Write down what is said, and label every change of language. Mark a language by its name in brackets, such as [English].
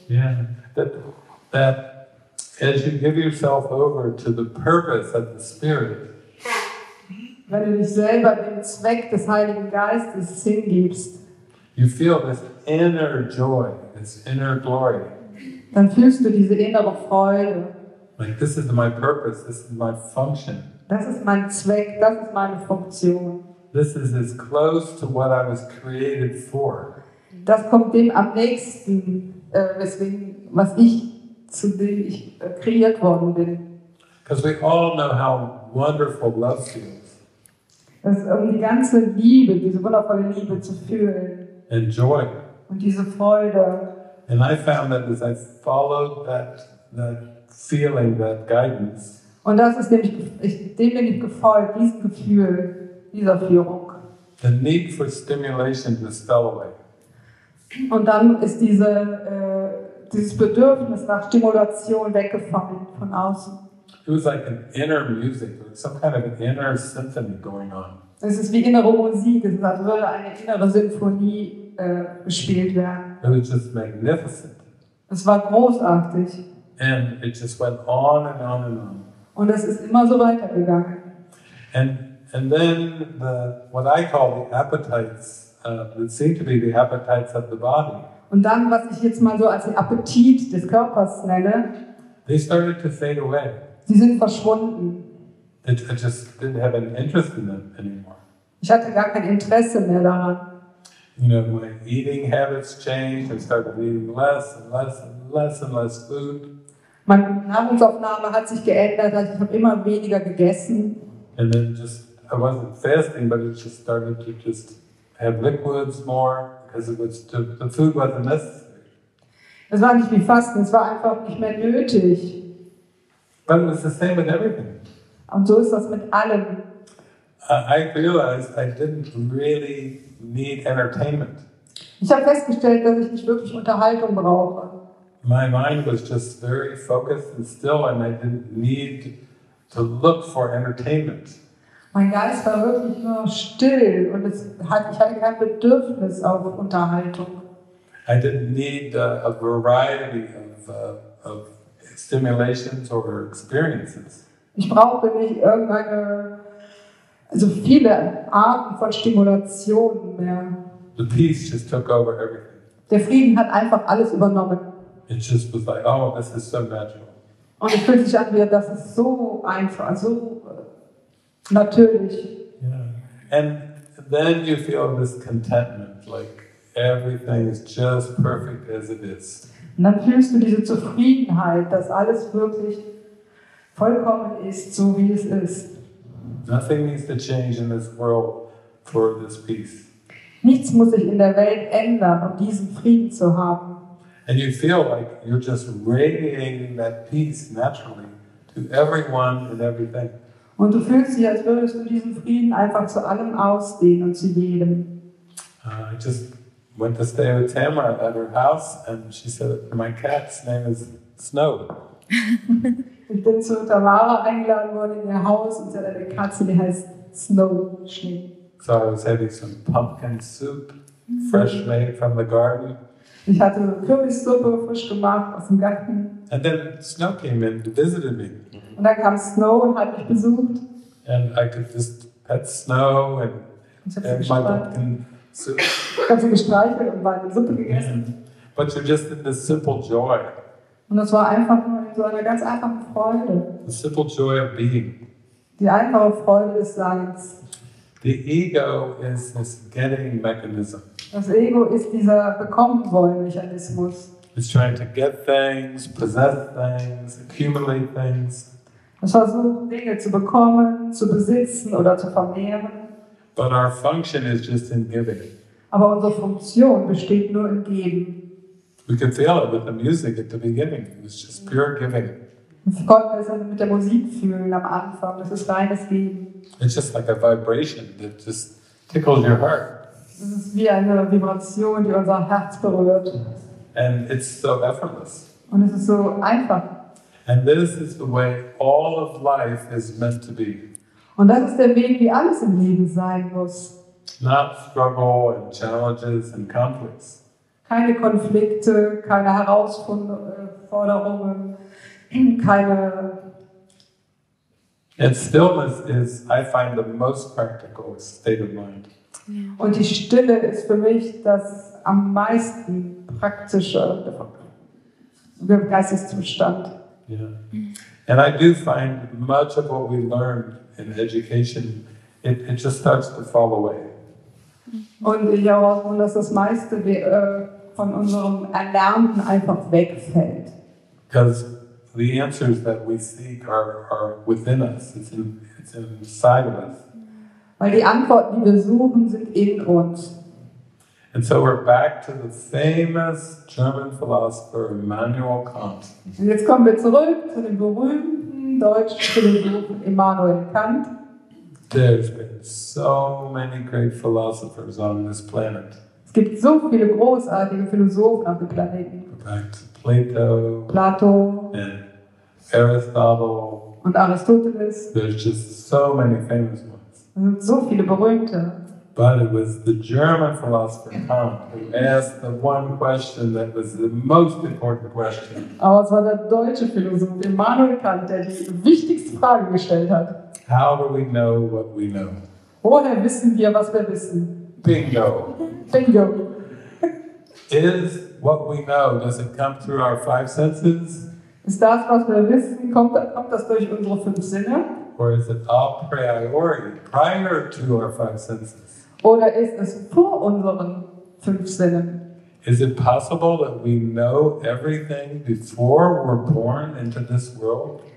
[English] Yeah, that as you give yourself over to the purpose of the Spirit. [German] Wenn du dich selber dem Zweck des Heiligen Geistes hingibst, [English] you feel this inner joy, this inner glory. [German] Dann fühlst du diese innere Freude. [English] Like this is my purpose. This is my function. [German] Das ist mein Zweck, das ist meine Funktion. [English] This is as close to what I was created for. [German] Das kommt dem am nächsten, weswegen, was ich, zu dem ich kreiert worden bin. [English] Because we all know how wonderful love feels. [German] Das ist um die ganze Liebe, diese wundervolle Liebe zu fühlen. [English] And joy. [German] Und diese Freude. [English] And I found that as I followed that feeling, that guidance. [German] Und das ist nämlich, dem bin ich gefolgt, diesem Gefühl, dieser Führung. [English] The need for stimulation just fell away. [German] Und dann ist dieses Bedürfnis nach Stimulation weggefallen von außen. [English] It was like an inner music, some kind of an inner symphony going on. [German] Es ist wie innere Musik, es würde eine innere Symphonie gespielt werden. [English] It was just magnificent. [German] Es war großartig. [English] And it just went on and on and on. [German] Und es ist immer so weitergegangen. [English] And then the what I call the appetites. That seem to be the appetites of the body. [German] Und dann, was ich jetzt mal so als den Appetit des Körpers nenne, [English] they started to fade away. [German] Sie sind verschwunden. [English] I just didn't have an interest in them anymore. [German] Ich hatte gar kein Interesse mehr daran. [English] You know, my eating habits changed. I started eating less and less and less and less food. [German] Meine Nahrungsaufnahme hat sich geändert. Ich habe immer weniger gegessen. [English] And then I wasn't fasting, but it just started to just have liquids more because it was the food wasn't necessary. [German] Es war nicht wie Fasten, es war einfach nicht mehr nötig. [English] But it was the same with everything. [German] Und so ist das mit allem. [English] I realized I didn't really need entertainment. [German] Ich habe festgestellt, dass ich nicht wirklich Unterhaltung brauche. [English] My mind was just very focused and still, and I didn't need to look for entertainment. [German] Mein Geist war wirklich nur still und ich hatte kein Bedürfnis auf Unterhaltung. [English] I didn't need a variety of stimulations or experiences. [German] Ich brauchte nicht irgendeine, also viele Arten von Stimulationen mehr. [English] The peace just took over everything. [German] Der Frieden hat einfach alles übernommen. [English] It just was like, oh, this is so magical. [German] Und es fühlt sich an, wie das ist so einfach, so natürlich. Yeah. [English] And then you feel this contentment, like everything is just perfect as it is. [German] Und dann fühlst du diese Zufriedenheit, dass alles wirklich vollkommen ist, so wie es ist. [English] Nothing needs to change in this world for this peace. [German] Nichts muss sich in der Welt ändern, um diesen Frieden zu haben. [English] And you feel like you're just radiating that peace naturally to everyone and everything. [German] Und du fühlst dich, als würdest du diesen Frieden einfach zu allem ausdehnen und zu jedem. [English] I just went to stay with Tamara at her house and she said, my cat's name is Snow. [German] Ich bin zu Tamara eingeladen worden in ihr Haus und sie hat eine Katze, die heißt Snow Schnee. [English] So I was having some pumpkin soup, fresh made from the garden. [German] Ich hatte Kürbissuppe frisch gemacht aus dem Garten. [English] And then Snow came in to visit me. [German] Und dann kam Snow und hat mich besucht. [English] And I could just pet Snow and my pumpkin soup. [German] Ich habe sie gestreichelt und meine Suppe gegessen. [English] But you're just in this simple joy. [German] Und das war einfach nur so eine ganz einfache Freude. [English] The simple joy of being. [German] Die einfache Freude des Seins. [English] The ego is this getting mechanism. [German] Das Ego ist dieser Bekommen-Wollen-Mechanismus. [English] It's trying to get things, possess things, accumulate things. [German] Es versucht, Dinge zu bekommen, zu besitzen oder zu vermehren. [English] But our function is just in giving. [German] Aber unsere Funktion besteht nur im Geben. [English] We could feel it with the music at the beginning. It was just pure giving. [German] Wir konnten es mit der Musik fühlen am Anfang. Das ist reines Geben. [English] It's just like a vibration that just tickles your heart. [German] Es ist wie eine Vibration, die unser Herz berührt. [English] And it's so effortless. [German] Und es ist so einfach. [English] And this is the way all of life is meant to be. [German] Und das ist der Weg, wie alles im Leben sein muss. [English] Not struggle and challenges and conflicts. [German] Keine Konflikte, keine Herausforderungen, keine. [English] And stillness is, I find, the most practical state of mind. [German] Und die Stille ist für mich das am meisten praktische Geisteszustand. Yeah. [English] And I do find much of what we learned in education, it just starts to fall away. [German] Und ich erhoffe, dass das meiste von unserem Erlernten einfach wegfällt. [English] Because the answers that we seek are within us. It's inside of us. [German] Weil die Antworten, die wir suchen, sind in uns. [English] And so we're back to the famous German philosopher Immanuel Kant. [German] Und jetzt kommen wir zurück zu dem berühmten deutschen Philosophen Immanuel Kant. [English] There's been so many great philosophers on this planet. [German] Es gibt so viele großartige Philosophen auf dem Planeten. [English] Back to Plato. [German] Plato. [English] And Aristotle. [German] Und Aristoteles. [English] There's just so many famous ones. [German] Es gibt so viele berühmte. [English] But it was the German philosopher Kant who asked the one question that was the most important question. [German] Aber es war der deutsche Philosoph Immanuel Kant, der die wichtigste Frage gestellt hat. [English] How do we know what we know? [German] Woher wissen wir, was wir wissen? [English] Bingo. [German] Bingo. [English] Is what we know, does it come through our five senses? [German] Ist das, was wir wissen, kommt das durch unsere fünf Sinne? [English] Or is it a priori, prior to our five senses? [German] Oder ist es vor unseren fünf Sinnen? [English] Is it possible that we know everything before we're born into this world?